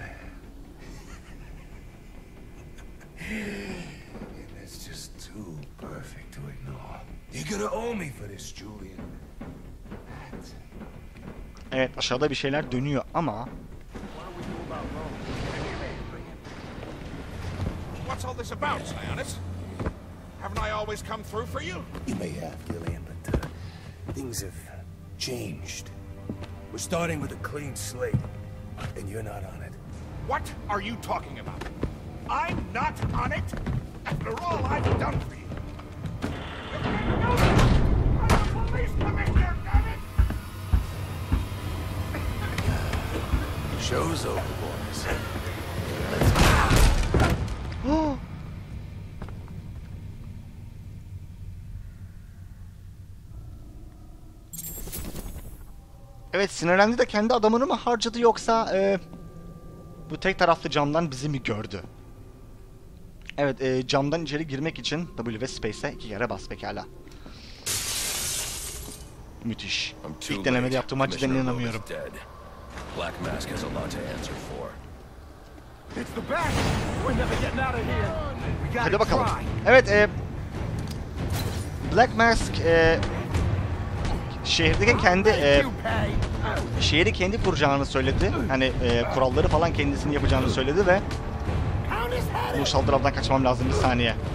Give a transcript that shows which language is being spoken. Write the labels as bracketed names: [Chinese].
[English] And that's just too perfect to ignore. You're gonna owe me for this, Julian. [Turkish] Evet, aşağıda bir şeyler dönüyor ama. [English] What's all this about, Sionis? Haven't I always come through for you? You may have, Gillian, but things have changed. We're starting with a clean slate. And you're not on it. What are you talking about? I'm not on it? After all I've done for you. You can't do this! I'm a police commissioner, damn it! Show's over, boys. Let's go. [Turkish] Evet, sinirlendi de kendi adamını mı harcadı yoksa bu tek taraflı camdan bizi mi gördü? Evet, camdan içeri girmek için W ve Space'e iki kere bas, pekala. Müthiş. İlk denemede yaptığım acıdan inanamıyorum. [English] Black Mask has a lot to answer for. It's the back. We're never getting out of here. We gotta try. [Turkish] Hadi bakalım. Evet, Black Mask şehirdeki kendi şehri kendi kuracağını söyledi. Hani kuralları falan kendisini yapacağını söyledi ve bu saldırıdan kaçmam lazım bir saniye.